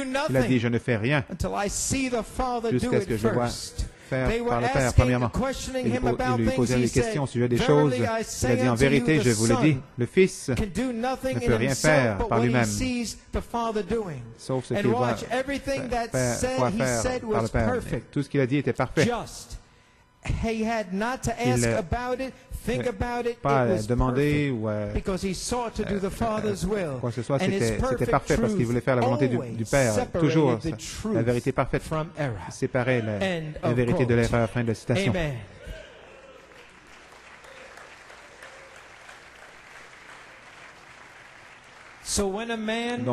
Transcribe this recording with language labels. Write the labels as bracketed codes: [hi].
[fr] Il a dit, je ne fais rien jusqu'à ce que je vois faire par le Père premièrement. Il lui posait des questions au sujet des choses. Il a dit, en vérité, je vous l'ai dit, le Fils ne peut rien faire par lui-même, sauf ce qu'il voit faire par le Père. Et tout ce qu'il a dit était parfait. [en] He had not to ask about it, think about it, [fr] pas [en] it was [fr] demander, [en] perfect, [fr] ou, [en] because he sought to do the Father's will. [fr] Quoi que ce soit, c'était parfait parce qu'il voulait faire la volonté du Père, toujours ça, la vérité parfaite, séparer la vérité [en] quote. [fr] De l'erreur, fin de la citation. Amen. [en] So when a man,